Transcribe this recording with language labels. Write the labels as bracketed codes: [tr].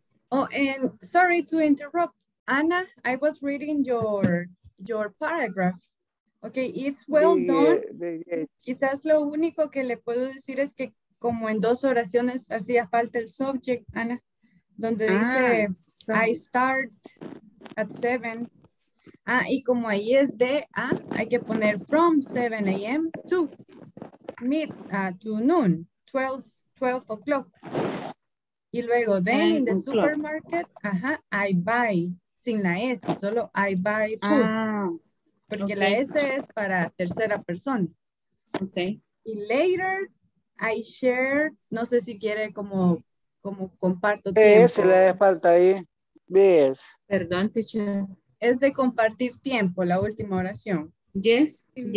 [en] Oh, and sorry to interrupt, Ana, I was reading your paragraph. Okay, it's well done. [es] Quizás lo único que le puedo decir es que como en dos oraciones hacía falta el subject, Ana, donde dice, [en] I start at 7. [es] Y como ahí es de, hay que poner [en] from 7 a.m. to mid, to noon, 12 o'clock. [es] Y luego, [en] then in the supermarket, I buy, [es] sin la S, solo [en] I buy food. [es] Porque la S es para tercera persona. [en] Okay. [es] Y [en] later, I share, [es] no sé si quiere como comparto tiempo. S le hace falta ahí. [en] Yes. [es] Perdón, teacher. Es de compartir tiempo, la última oración. [en] Yes.